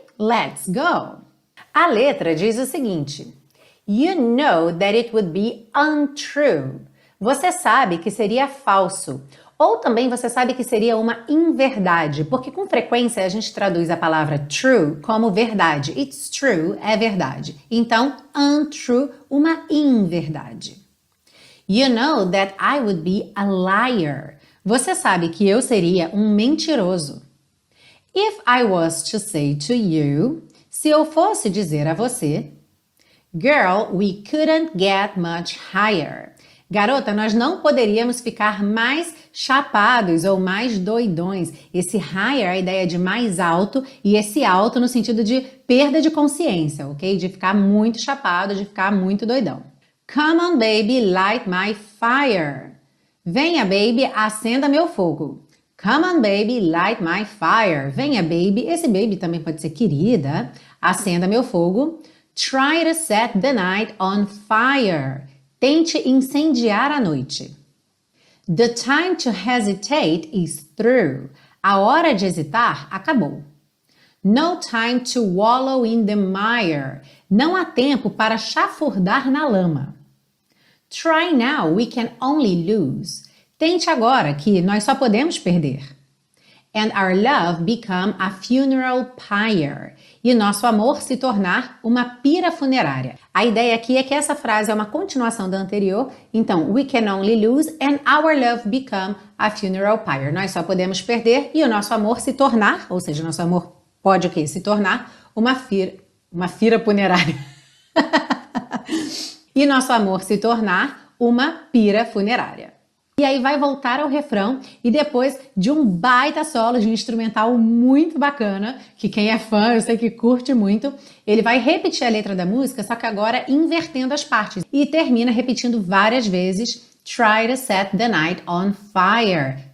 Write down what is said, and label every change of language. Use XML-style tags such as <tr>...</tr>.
<en>Let's go!</en> <pt>A letra diz o seguinte:</pt> <en>You know that it would be untrue.</en> <pt>Você sabe que seria falso. Ou também você sabe que seria uma inverdade, porque com frequência a gente traduz a palavra true como verdade.</pt> <en>It's true</en> <pt>é verdade. Então, untrue, uma inverdade.</pt> <en>You know that I would be a liar.</en> <pt>Você sabe que eu seria um mentiroso.</pt> <en>If I was to say to you,</en> <pt>se eu fosse dizer a você,</pt> <en>Girl, we couldn't get much higher.</en> <pt>Garota, nós não poderíamos ficar mais chapados ou mais doidões. Esse higher é a ideia de mais alto, e esse alto no sentido de perda de consciência, ok? De ficar muito chapado, de ficar muito doidão.</pt> <en>Come on, baby, light my fire.</en> <pt>Venha, baby, acenda meu fogo.</pt> <en>Come on, baby, light my fire.</en> <pt>Venha, baby. Esse baby também pode ser querida. Acenda meu fogo.</pt> <en>Try to set the night on fire.</en> <pt>Tente incendiar a noite.</pt> <en>The time to hesitate is through.</en> <pt>A hora de hesitar acabou.</pt> <en>No time to wallow in the mire.</en> <pt>Não há tempo para chafurdar na lama.</pt> <en>Try now, we can only lose.</en> <pt>Tente agora, que nós só podemos perder.</pt> <en>And our love become a funeral pyre.</en> <pt>E nosso amor se tornar uma pira funerária. A ideia aqui é que essa frase é uma continuação da anterior.</pt> <en>Então, we can only lose and our love become a funeral pyre.</en> <pt>Nós só podemos perder e o nosso amor se tornar, ou seja, nosso amor pode o quê? Se tornar uma fira funerária. E nosso amor se tornar uma pira funerária. E aí vai voltar ao refrão e depois de um baita solo de um instrumental muito bacana, que quem é fã, eu sei que curte muito, ele vai repetir a letra da música, só que agora invertendo as partes e termina repetindo várias vezes:</pt> <en>Try to set the night on fire.</en>